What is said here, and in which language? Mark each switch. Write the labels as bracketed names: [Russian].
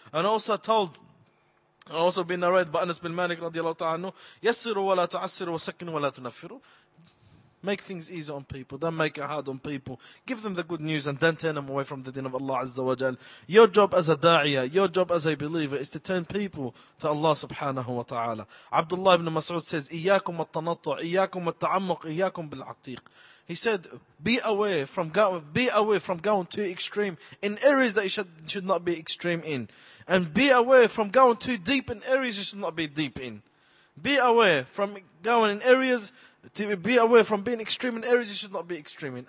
[English] And also told, also been narrated by Anas bin Malik radiallahu ta'ala anhu, [Arabic] yassiru wa la tu'assiru, wasakin wa la tunaffiru. [English] Make things easy on people. Don't make it hard on people. Give them the good news and don't turn them away from the deen of Allah Azza wa Jal. Your job as a da'iyah, your job as a believer is to turn people to Allah subhanahu wa ta'ala. [Arabic] Abdullah ibn Mas'ud says, إِيَّاكُمْ وَالتَّنَطُّعِ إِيَّاكُمْ وَالتَّعَمُّقِ إِيَّاكُمْ بِالْعَقْتِيقِ. [English] He said, be away from going too extreme in areas that you should not be extreme in. And be away from going too deep in areas you should not be deep in. Be away from going in areas to be away from being extreme in areas you should not be extreme in.